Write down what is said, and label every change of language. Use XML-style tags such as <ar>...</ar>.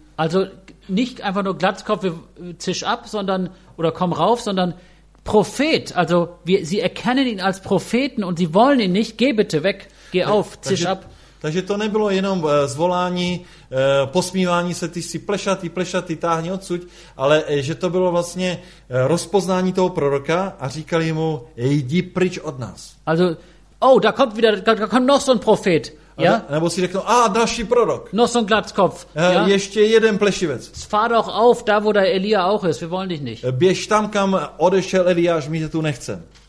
<de>Also nicht einfach nur Glatzkopf, zisch ab, sondern, oder komm rauf, sondern... Prophet, also sie erkennen ihn als Propheten und sie wollen ihn nicht, geh bitte weg, geh auf, zisch ab.</de> <cs>Takže to nebylo jenom zvolání, posmívání se, ty jsi plešatý, táhni odsuď, ale že to bylo vlastně rozpoznání toho proroka a říkali mu, jdi pryč od nás.</cs> <de>Also, oh, da kommt wieder, da kommt noch so ein Prophet. Ja?</de> <cs>Nebo si řeknou, a další prorok.</cs> <de>Noch so ein Glatzkopf.</de> <cs>Ja? Ještě jeden plešivec.</cs> <de>Fahr doch auf, da wo der Elia auch ist, wir wollen dich nicht.</de> <cs>Běž tam, kam odešel Eliáš, my tě tu nechcem.</cs>